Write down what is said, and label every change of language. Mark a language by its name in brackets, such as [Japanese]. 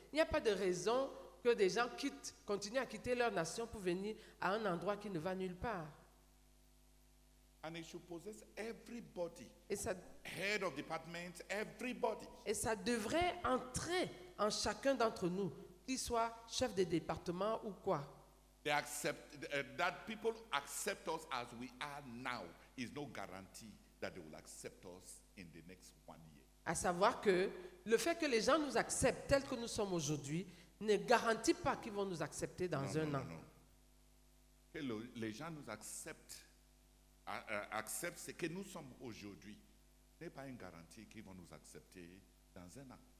[French] Il n'y a pas de raison que des gens continuent à quitter leur nation pour venir à un endroit qui ne va nulle part. [English] And it should possess everybody. [French] Et ça, [English] head of department, everybody. [French] Et ça devrait entrer en chacun d'entre nous, qu'il soit chef de département ou quoi. [English] They accept that people accept us as we are now is no guarantee that they will accept us in the next 1 year. [French] À savoir que le fait que les gens nous acceptent tels que nous sommes aujourd'hui ne garantit pas qu'ils vont nous accepter dans an. Les gens nous acceptent. Accepte ce que nous sommes aujourd'hui n'est pas une garantie qu'ils vont nous accepter dans un an.